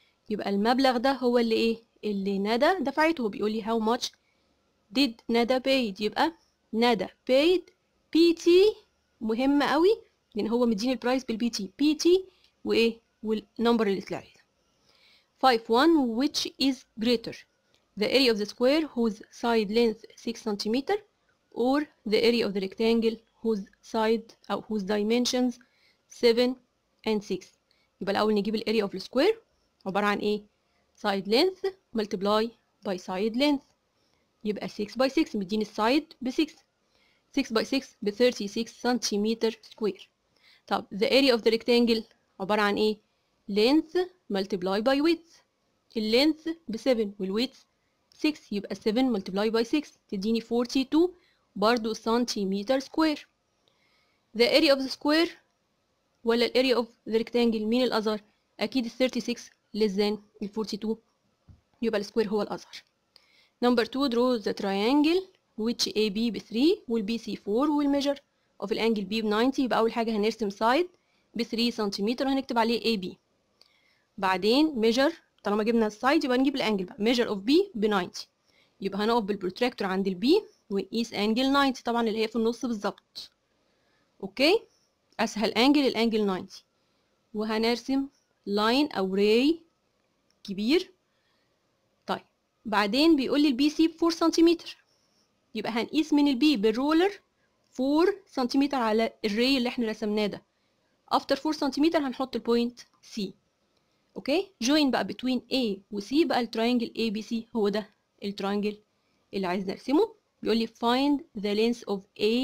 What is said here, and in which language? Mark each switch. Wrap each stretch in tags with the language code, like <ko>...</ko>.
<ar>يبقى المبلغ ده هو اللي ايه؟ اللي ندى دفعته. بيقول لي</ar> <en>how much did</en> <ar>ندى paid؟ يبقى ندى</ar> <en>paid PT،</en> <ar>مهم قوي لان هو مديني البرايس بالبي تي، بي تي وايه والنمبر اللي طلع لي 51.</ar> <en>which is greater، the area of the square whose side length 6 cm or the area of the rectangle whose side or whose dimensions 7 and 6.</en> <ar>يبقى الاول نجيب الاريا اوف السكوير، عباره عن ايه؟</ar> <en>side length multiply by side length،</en> <ar>يبقى 6 by 6 مديني السايد ب 6. 6 by 6 ب 36 سنتيمتر سكوير.</ar> <en>طب the area of the rectangle</en> <ar>عبارة عن ايه؟</ar> <en>length multiply by width، ال length ب 7 وال width 6، يبقى 7 multiply by 6</en> <ar>تديني 42 برضو سنتيمتر سكوير.</ar> <en>the area of the square</en> <ar>ولا</ar> <en>the area of the rectangle،</en> <ar>مين الأصغر؟ أكيد 36</ar> <en>less than 42،</en> <ar>يبقى السكوير هو الأصغر.</ar> <en>number 2, draw the triangle which AB ب 3</en> <ar>وال BC 4</ar> <en>وال measure of الانجل B</en> <ar>ب 90. يبقى أول حاجة هنرسم سايد ب 3 سنتيمتر وهنكتب عليه AB، بعدين measure، طالما جبنا السايد يبقى نجيب الانجل بقى،</ar> <en>measure of B</en> <ar>ب 90. يبقى هنقف بالبروتراكتور عند ال B ونقيس انجل 90 طبعا اللي هي في النص بالظبط. اوكي، أسهل انجل الانجل 90، وهنرسم لاين أو ray كبير. طيب بعدين بيقول لي ال BC ب 4 سنتيمتر، يبقى هنقيس من البي بالرولر 4 سنتيمتر على الري اللي احنا رسمناه ده. after 4 سنتيمتر هنحط البوينت سي. اوكي، جوين بقى بتوين اي وسي، بقى الترينجل اي بي سي هو ده الترينجل اللي عايز نرسمه. بيقول لي</ar> <en>find the length of</en> <ar>اي سي طبعا</ar> <en>by using ruler،</en>